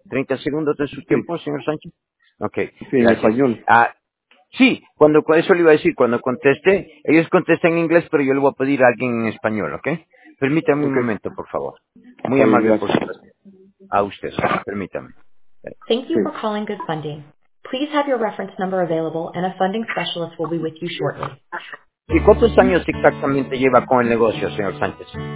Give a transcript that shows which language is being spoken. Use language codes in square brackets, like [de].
[es] 30 segundos de su tiempo, señor Sánchez. [en] Okay. [es] Sí, en español. Sí, eso le iba a decir, cuando conteste, ellos contestan en inglés, pero yo le voy a pedir a alguien en español, ¿ok? Permítame un momento, por favor. Muy amable, por supuesto. A usted, permítame. [en] Thank you for calling Good Funding. Please have your reference number available and a funding specialist will be with you shortly. [es] ¿Y cuántos años exactamente lleva con el negocio, señor Sánchez?